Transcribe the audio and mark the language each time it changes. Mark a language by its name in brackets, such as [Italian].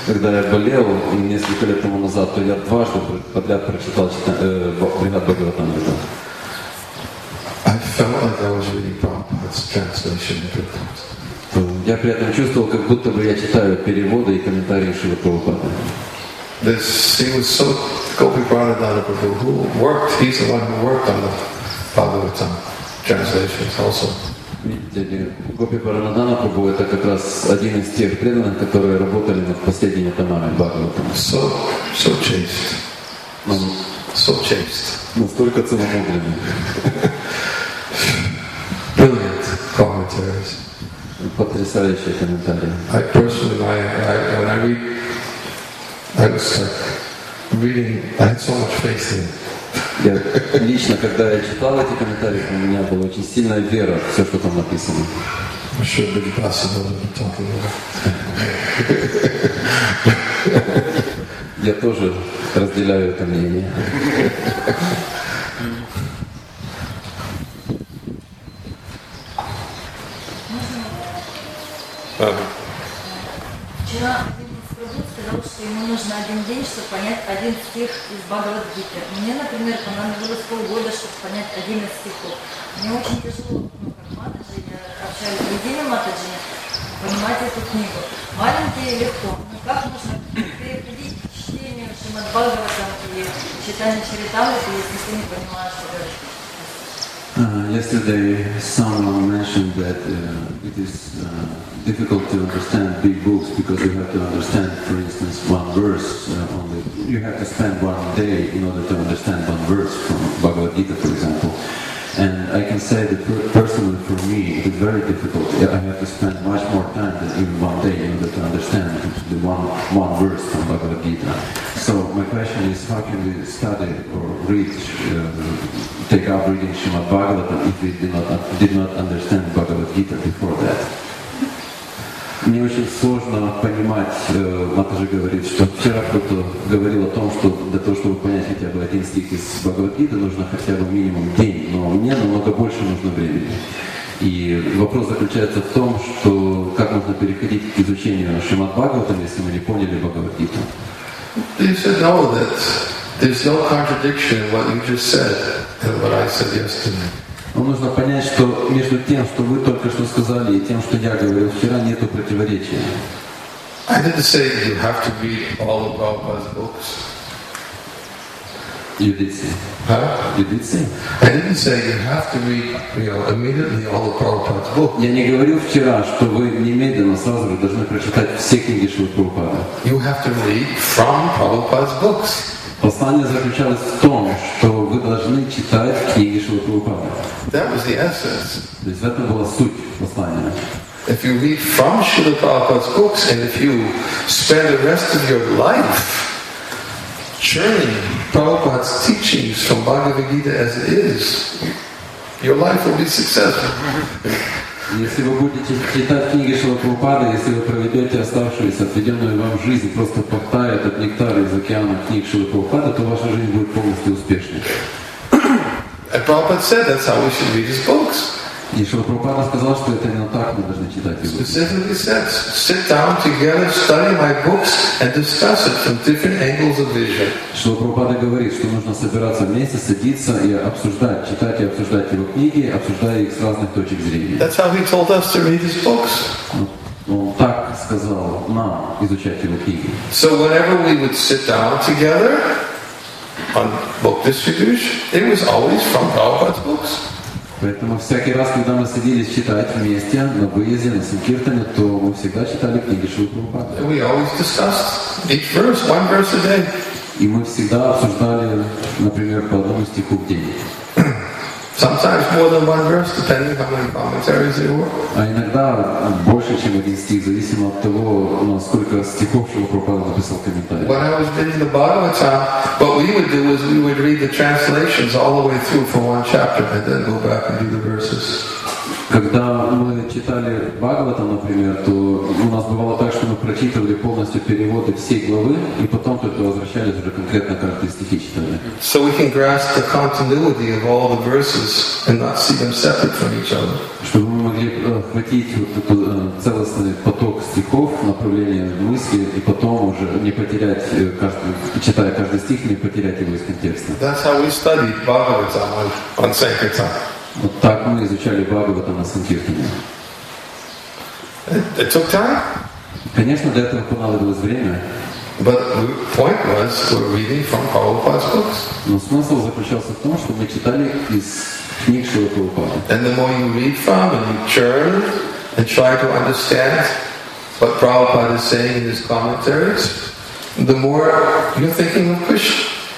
[Russian] Когда я болел несколько лет тому назад, то я дважды подряд прочитал Брихад Бхагаватамриту. [English] I felt like I was reading Prabhupada's translation of Prabhupada. [Russian] Я при этом чувствовал, как будто бы я читаю переводы и комментарии Шрилы Прабхупады. [English] He was so Gopi Pranadana Prabhu, who worked, he's the one who worked on the Bhagavatam translations also. [Russian] Видите, Гопи Пранадана Прабху это как раз один из тех преданных, которые работали над последними томами Бхагаватам. [English] So chaste. So chaste. [Russian] Настолько целомудренный. [English] Brilliant commentaries. [Russian] Потрясающие комментарии. [English] I personally, when I read, I was like reading. I had so much faith in. [Russian] Я лично, когда я читал эти комментарии, у меня была очень сильная вера в все, что там написано. [English] Should be possible to be talking about. [Russian] Я тоже разделяю это мнение. Вчера один из работ сказал, что ему нужно один день, чтобы понять один стих из Бхагавад-гиты. Мне, например, понадобилось полгода, чтобы понять один из стихов. Мне очень тяжело, как матаджи, я общаюсь с другими матаджами, понимать эту книгу. Маленькие легко, но как можно переходить к чтению Шримад Бхагаватам и читанию Чаритамриты, если ты не понимаешь, что говоришь? [English] Yesterday, someone mentioned that it is difficult to understand big books because you have to understand, for instance, one verse only. You have to spend one day in order to understand one verse from Bhagavad Gita, for example. And I can say that personally, for me, it is very difficult. I have to spend much more time than even one day in order to understand the one verse from Bhagavad Gita. So my question is, how can we study or read, take up reading Srimad Bhagavatam if we did not understand Bhagavad Gita before that? [Russian] Мне очень сложно понимать, Матаджи говорит, что вчера кто-то говорил о том, что для того, чтобы понять хотя бы один стих из Бхагавад-гиты, нужно хотя бы минимум день, но мне намного больше нужно времени. И вопрос заключается в том, что как можно переходить к изучению Шримад Бхагаватам, если мы не поняли Бхагавад-гиту. [English] He said, no, that there's no contradiction in what you just said and what I said yesterday. [Russian] Вам нужно понять, что между тем, что вы только что сказали, и тем, что я говорил вчера, нету противоречия. [English] I didn't say that you have to read all of Prabhupada's books. You did say. Huh? You did say. I didn't say you have to read, you know, immediately all of Prabhupada's books. [Russian] Я не говорил вчера, что вы немедленно сразу же должны прочитать все книги Шрилы Прабхупады. [English] You have to read from Prabhupada's books. [Russian] Послание заключалось в том, что вы должны читать книги Шрилы Прабхупады. [English] That was the essence. [Russian] То есть это была суть послания. [English] If you read from Srila Prabhupada's books and if you spend the rest of your life churning Prabhupada's teachings from Bhagavad Gita as it is, your life will be successful. [Russian] Если вы будете читать книги Шрилы Прабхупады, если вы проведете оставшуюся отведенную вам жизнь, просто поптая этот нектар из океана книг Шрилы Прабхупады, то ваша жизнь будет полностью успешной. [English] Prabhupada said that's how we should read his books. [Russian] И Шрилы Прабхупада сказал, что это именно так мы должны читать его. [English] Specifically said, sit down together, study my books and discuss it from different angles of vision. [Russian] Шрилы Прабхупада говорит, что нужно собираться вместе, садиться и обсуждать, читать и обсуждать его книги, обсуждая их с разных точек зрения. [English] That's how he told us to read his books. [Russian] Он так сказал нам изучать его книги. [English] So whenever we would sit down together on book distribution, it was always from Prabhupada's books. [Russian] Поэтому всякий раз, когда мы садились читать вместе на выезде, на Санкиртане, то мы всегда читали книги Шрилы Прабхупады. [English] We always discussed each verse, one verse a day. [Russian] И мы всегда обсуждали, например, по одному стиху в день. [English] Sometimes more than one verse, depending on how many commentaries there were. [Russian] А иногда больше, чем один стих, зависимо от того, насколько стихов Шрилы Прабхупады написал комментарий. [English] When I was reading the Bhagavatam, what we would do is we would read the translations all the way through for one chapter, and then go back and do the verses. [Russian] Когда мы читали Бхагаватам, например, то у нас бывало так, что мы прочитывали полностью переводы всей главы, и потом только возвращались уже конкретно к стихи читали. [English] So we can grasp the continuity of all the verses and not see them separate from each other. [Russian] Чтобы мы могли охватить вот этот целостный поток стихов, направление мысли, и потом уже не потерять каждый, читая каждый стих, не потерять его из контекста. [English] That's how we studied Bhagavatam on Sankirtan. [Russian] Вот так мы изучали Бхагаватам на Санкиртане. [English] It took time. [Russian] Конечно, для этого понадобилось время. [English] But the point was, we're reading from Prabhupada's books. [Russian] Но смысл заключался в том, что мы читали из книг Шрилы Прабхупады. [English] And the more you read from and you churn and try to understand what Prabhupada is saying in his commentaries, the more you're thinking of Krishna.